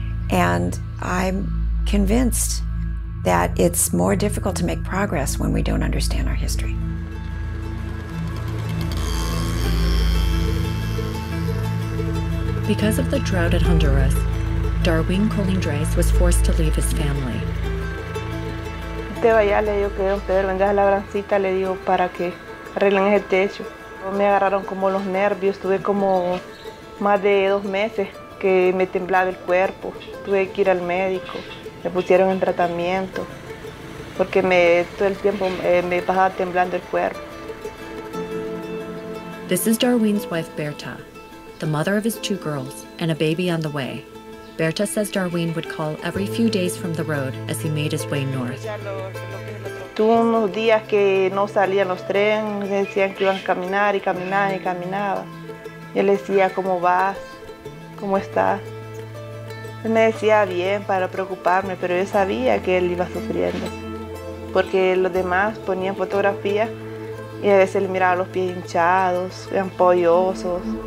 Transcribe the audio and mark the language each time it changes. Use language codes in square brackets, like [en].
[en] And I'm convinced that it's more difficult to make progress when we don't understand our history. Because of the drought in Honduras, Darwin Colindres was forced to leave his family. [es] Vaya, le digo que don Pedro, vendas a la brancita, le digo para que arreglen ese techo. Me agarraron como los nervios, tuve como más de 2 meses que me temblaba el cuerpo. Tuve que ir al médico, me pusieron en tratamiento, porque todo el tiempo me pasaba temblando el cuerpo. [en] This is Darwin's wife, Berta. the mother of his two girls, and a baby on the way. Berta says Darwin would call every few days from the road as he made his way north. [es] Tuvo unos días que no salían los trenes, decían que iban a caminar y caminaban y caminaban. Y él decía, ¿cómo vas? ¿Cómo estás? Él me decía, bien, para preocuparme, pero yo sabía que él iba sufriendo. Porque los demás ponían fotografías y a veces le miraba los pies hinchados, ampollosos.